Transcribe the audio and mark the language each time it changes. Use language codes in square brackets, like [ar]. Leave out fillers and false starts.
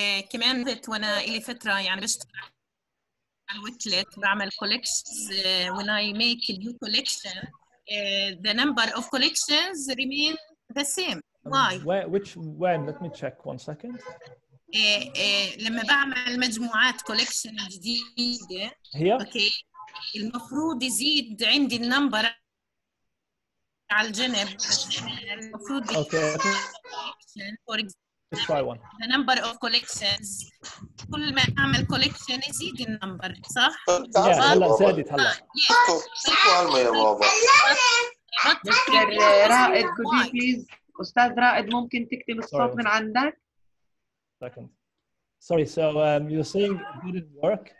[en] كمان وانا الي فترة يعني بشتغل الويكلت بعمل collections when I make a new collection the number of collections remain the same why when let me check one second [ar] لما بعمل مجموعات collection جديدة [en] here [ar] okay المفروض يزيد عندي النمبر على الجنب المفروض [en] okay for example let's try one [ar] the number of collections كل ما أعمل collection يزيد النمبر صح؟ yeah هلا زادت هلا سؤال ما يا بابا مستر رائد could you please أستاذ رائد ممكن تكتم الصوت من عندك؟ [en] second sorry so you're saying it didn't work